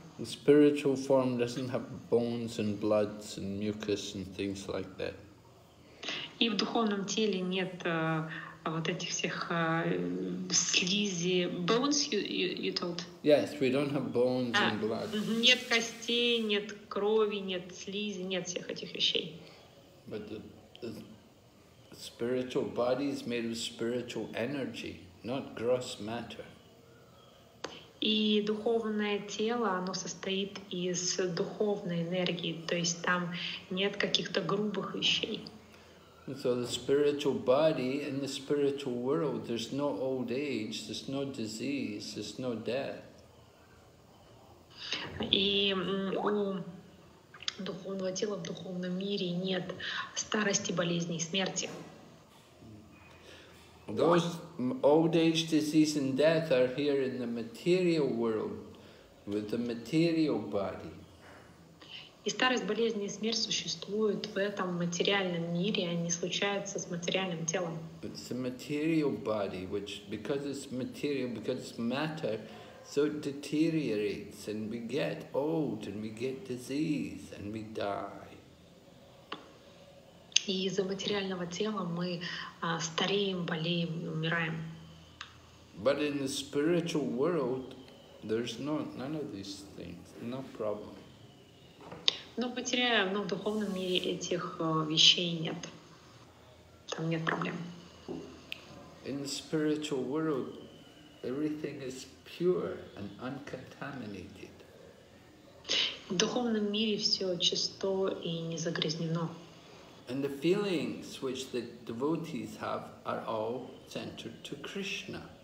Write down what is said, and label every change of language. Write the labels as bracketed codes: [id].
[en] The spiritual form doesn't have bones and blood and mucus and things like that. [ru] И в духовном теле нет вот этих всех слизи. [en] Bones, you told? Yes, we don't have bones and blood. [ru] Нет костей, нет крови, нет слизи, нет всех этих вещей. [en] But the spiritual body is made of spiritual energy, not gross matter. [ru] И духовное тело, оно состоит из духовной энергии, то есть там нет каких-то грубых вещей. [en] So the spiritual body in the spiritual world, there's no old age, there's no disease, there's no death. [ru] И у духовного тела в духовном мире нет старости, болезни и смерти. [en] Those old age, disease and death are here in the material world with the material body. [ru] И старость, болезни и смерть существуют в этом материальном мире, они случаются с материальным телом. [en] It's the material body, which, because it's material, because it's matter, so it deteriorates, and we get old, and we get disease, and we die. [ru] И из-за материального тела мы стареем, болеем, умираем. [en] But in the spiritual world, there's none of these things, no problem. [ru] Но в духовном мире этих вещей нет. Там нет проблем. [en] In the spiritual world, everything is pure and uncontaminated. [ru] В духовном мире все чисто и не загрязнено. [en] And the feelings which the devotees have are all centered to Krishna.